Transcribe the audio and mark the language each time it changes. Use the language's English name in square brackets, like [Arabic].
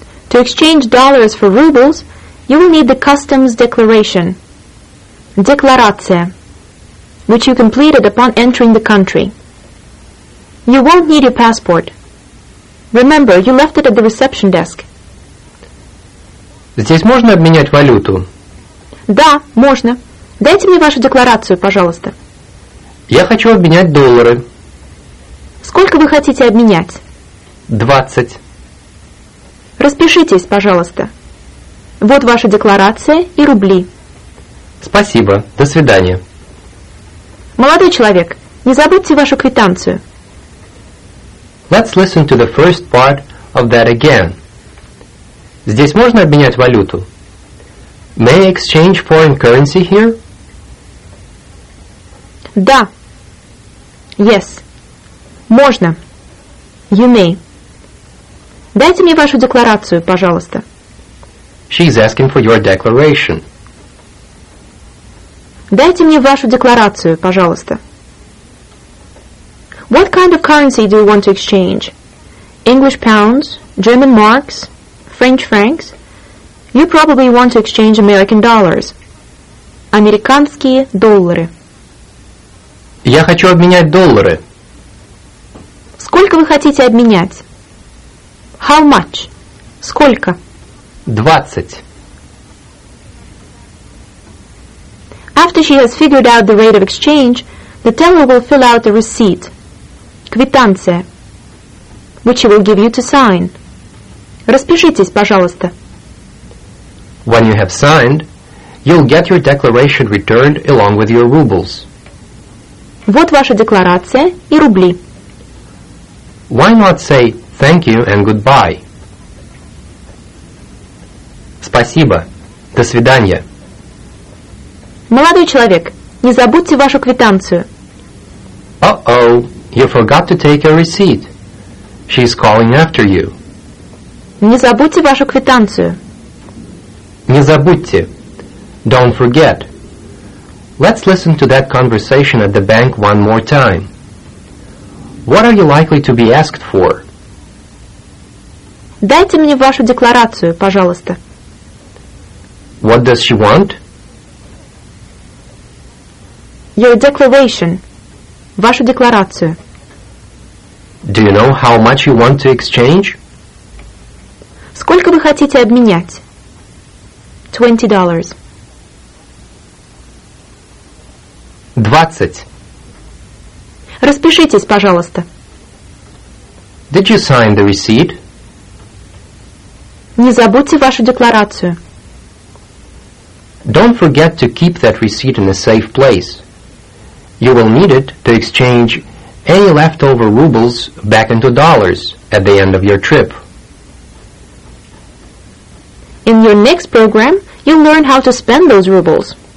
[English] To exchange dollars for rubles, you will need the customs declaration, декларация, which you completed upon entering the country. You won't need your passport. Remember, you left it at the reception desk. [Russian] Здесь можно обменять валюту? Да, можно. Дайте мне вашу декларацию, пожалуйста. Я хочу обменять доллары. Сколько вы хотите обменять? 20. Распишитесь, пожалуйста. Вот ваша декларация и рубли. Спасибо. До свидания. Молодой человек, не забудьте вашу квитанцию. [English] Let's listen to the first part of that again. [Russian] Здесь можно обменять валюту? [English] May I exchange foreign currency here? [Russian] Да. [English] Yes. [Russian] Можно. [English] You may. [Russian] Дайте мне вашу декларацию, пожалуйста. [English] She's asking for your declaration. [Russian] Дайте мне вашу декларацию, пожалуйста. [English] What kind of currency do you want to exchange? English pounds, German marks, French francs? You probably want to exchange American dollars. [Russian] Американские доллары. Я хочу обменять доллары. Сколько вы хотите обменять? [English] How much? [Russian] Сколько? 20. [English] After she has figured out the rate of exchange, the teller will fill out the receipt, квитанция, which he will give you to sign. [Russian] Распишитесь, пожалуйста. [English] When you have signed, you'll get your declaration returned along with your rubles. [Russian] Вот ваша декларация и рубли. [English] Why not say thank you and goodbye? [Russian] Спасибо. До свидания. Молодой человек, не забудьте вашу квитанцию. [English] Uh-oh, you forgot to take your receipt. She's calling after you. [Russian] Не забудьте вашу квитанцию. Не забудьте. [English] Don't forget. Let's listen to that conversation at the bank one more time. What are you likely to be asked for? [Russian] Дайте мне вашу декларацию, пожалуйста. [English] What does she want? Your declaration. [Russian] Вашу декларацию. [English] Do you know how much you want to exchange? [Russian] Сколько вы хотите обменять? [English] $20. [Russian] 20. Распишитесь, пожалуйста. [English] Did you sign the receipt? [Russian] Не забудьте вашу декларацию. [English] Don't forget to keep that receipt in a safe place. You will need it to exchange any leftover rubles back into dollars at the end of your trip. In your next program, you'll learn how to spend those rubles.